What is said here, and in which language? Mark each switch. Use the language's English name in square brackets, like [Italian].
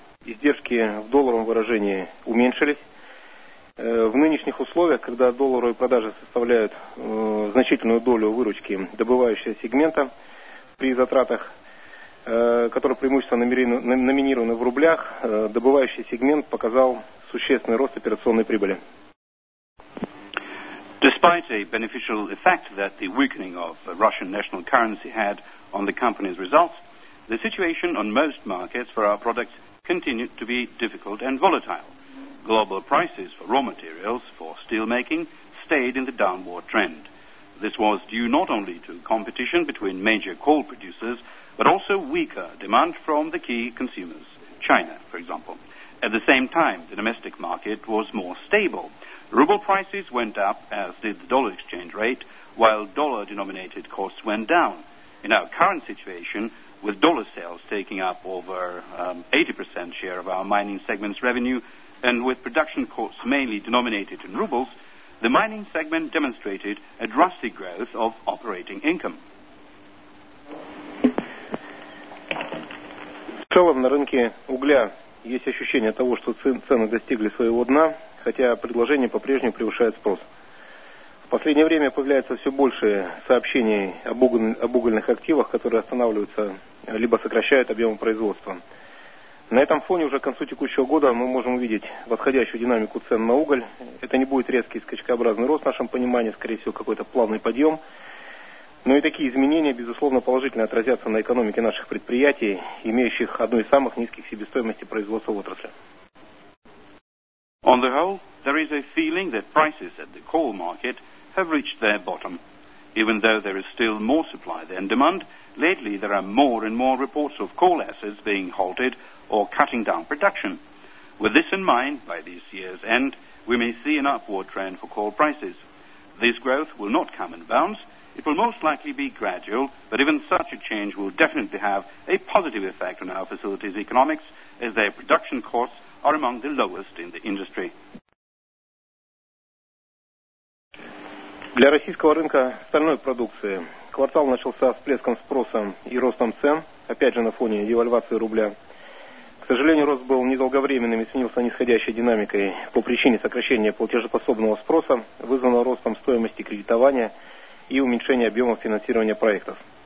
[Russian] Издержки в долларовом выражении уменьшились. В нынешних условиях, когда долларовые продажи составляют значительную долю выручки добывающего сегмента при затратах, которые преимущественно номинированы в рублях, добывающий сегмент показал существенный рост операционной прибыли. [English] Despite a beneficial effect that the weakening of the Russian national currency had on the company's results, the situation on most markets for our products continued to be difficult and volatile. Global prices for raw materials for steelmaking stayed in the downward trend. This was due not only to competition between major coal producers, but also weaker demand from the key consumers, China, for example. At the same time, the domestic market was more stable. Ruble prices went up, as did the dollar exchange rate, while dollar-denominated costs went down. In our current situation, with dollar sales taking up over 80% share of our mining segment's revenue, and with production costs mainly denominated in rubles, the mining segment demonstrated a drastic growth of operating income. [Russian] В целом на рынке угля есть ощущение того, что цены достигли своего дна, хотя предложение по-прежнему превышает спрос. В последнее время появляется все больше сообщений об угольных активах, которые останавливаются, либо сокращают объемы производства. На этом фоне уже к концу текущего года мы можем увидеть восходящую динамику цен на уголь. Это не будет резкий скачкообразный рост, в нашем понимании, скорее всего, какой-то плавный подъем. Но и такие изменения, безусловно, положительно отразятся на экономике наших предприятий, имеющих одну из самых низких себестоимостей производства в отрасли. [English] On the whole, there is a feeling that prices at the coal market have reached their bottom. Even though there is still more supply than demand, lately there are more and more reports of coal assets being halted or cutting down production. With this in mind, by this year's end, we may see an upward trend for coal prices. This growth will not come in bounds. It will most likely be gradual, but even such a change will definitely have a positive effect on our facility's economics, as their production costs are among the lowest in the industry. [Russian] Для российского рынка стальной продукции квартал начался с всплеском спроса и ростом цен, опять же на фоне девальвации рубля. К сожалению, рост был недолговременным и сменился нисходящей динамикой по причине сокращения платежеспособного спроса, вызванного ростом стоимости кредитования и уменьшения объема финансирования проектов.